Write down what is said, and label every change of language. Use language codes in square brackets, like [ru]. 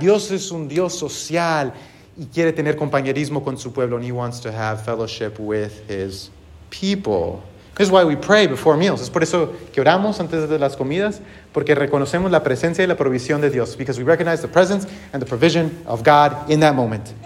[es] Dios es un Dios social. Y quiere tener compañerismo con su pueblo. [en] And He wants to have fellowship with His people. This is why we pray before meals. [es] Es por eso que oramos antes de las comidas. Porque reconocemos la presencia y la provisión de Dios. [en] Because we recognize the presence and the provision of God in that moment.